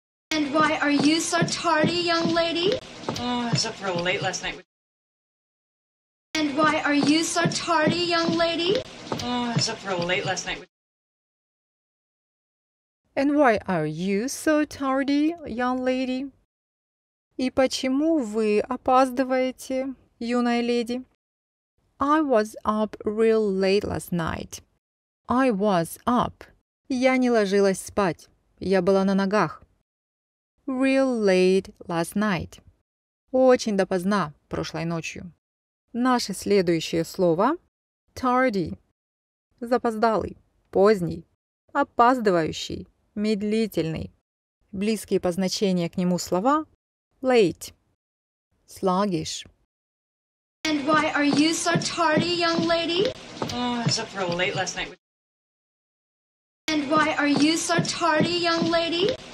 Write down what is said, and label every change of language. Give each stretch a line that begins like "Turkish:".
English: And why are you so tardy, young lady? Oh, I was up real late last night. And why are you so tardy, young lady? Oh, I was up real late last night. And why are you so tardy, young lady?
Russian: И почему вы опаздываете, юная леди?
English: I was up real late last night. I was up.
Russian: Я не ложилась спать. Я была на ногах.
English: Real late last night.
Russian: Очень допоздна прошлой ночью. Наше следующее слово – tardy. Запоздалый, поздний, опаздывающий. Медлительный. Близкие по значению к нему слова late.
English: Sluggish. And why are you so tardy, young lady? Oh, I was up real late last night. And why are you so tardy, young lady?